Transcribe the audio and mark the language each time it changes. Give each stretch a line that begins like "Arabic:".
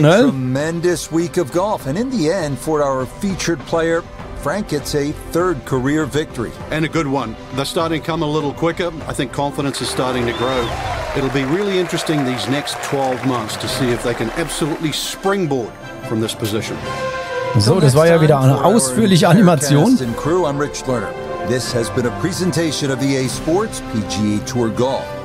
English: So this is a tremendous week of golf. And in the end, for our featured player, Frank, it's a third career victory. And a good one. They're starting to come a little quicker. I think confidence is starting to grow. It'll be really interesting these next 12 months to see if they can absolutely springboard from this position.
German: So, das war ja wieder eine ausführliche Animation.
English: And crew, I'm Rich Lerner. This has been a presentation of EA Sports PGA Tour Golf.